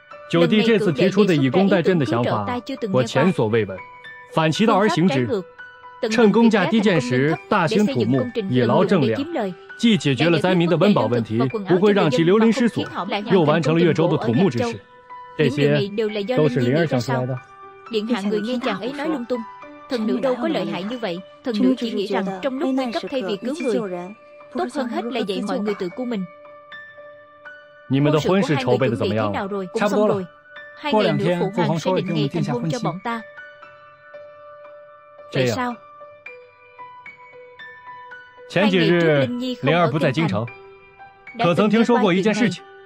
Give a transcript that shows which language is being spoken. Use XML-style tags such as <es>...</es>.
<zh>九弟这次提出的以工代赈的想法，我前所未闻，反其道而行之，趁工价低贱时大兴土木，以劳政量，既解决了灾民的温饱问题，不会让其流离失所，又完成了越州的土木之事。这些都是林儿想出来的。</zh> <vi>林汉người nghe chàng ấy nói lung tung, thần nữ đâu có lợi hại như vậy, thần nữ chỉ nghĩ rằng trong lúc nguy cấp thay vì cứu người, tốt hơn hết là dạy mọi người tự cứu mình.</vi> <zh>你们的婚事筹备的怎么样了？差不多了，过两天父皇说会给我们定下婚期。这样，前几日灵儿不在京城，可曾听说过一件事情？</zh>